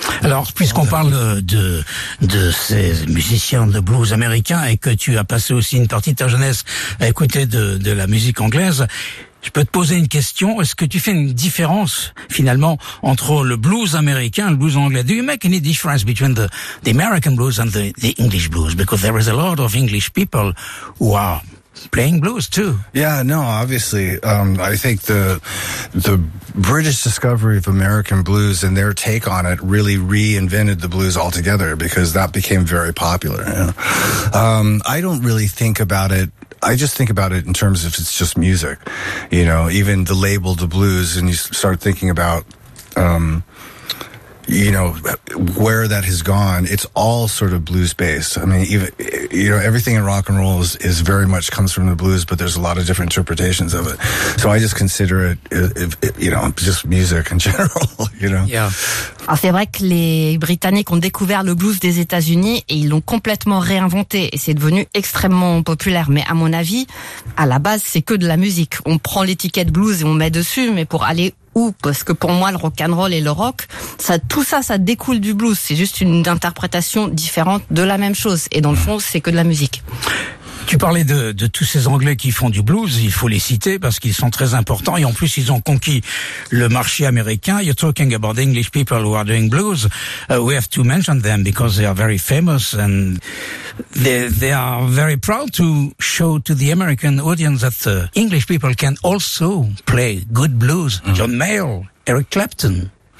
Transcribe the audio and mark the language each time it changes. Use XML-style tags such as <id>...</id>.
<fr>Alors, puisqu'on parle de ces musiciens de blues américains et que tu as passé aussi une partie de ta jeunesse à écouter de la musique anglaise, je peux te poser une question. Est-ce que tu fais une différence, finalement, entre le blues américain et le blues anglais?</fr> <en>Do you make any difference between the American blues and the English blues? Because there is a lot of English people who are playing blues too. Yeah, no, obviously. I think the British discovery of American blues and their take on it really reinvented the blues altogether, because that became very popular. You know? I don't really think about it. I just think about it in terms of it's just music. You know, even the label, the blues, and you start thinking about, you know, where that has gone, it's all sort of blues-based. I mean, even, you know, everything in rock and roll is very much comes from the blues, but there's a lot of different interpretations of it. So I just consider it, you know, just music in general, you know. Yeah.</en> <fr>Alors c'est vrai que les Britanniques ont découvert le blues des États-Unis et ils l'ont complètement réinventé et c'est devenu extrêmement populaire. Mais à mon avis, à la base, c'est que de la musique. On prend l'étiquette blues et on met dessus, mais pour aller où? Parce que pour moi, le rock'n'roll et le rock, ça découle du blues. C'est juste une interprétation différente de la même chose. Et dans le fond, c'est que de la musique. Tu parlais de tous ces Anglais qui font du blues, il faut les citer parce qu'ils sont très importants et en plus ils ont conquis le marché américain.</fr> <en>You're talking about English people who are doing blues. We have to mention them because they are very famous and they are very proud to show to the American audience that English people can also play good blues. Mm-hmm. John Mayall, Eric Clapton.</en>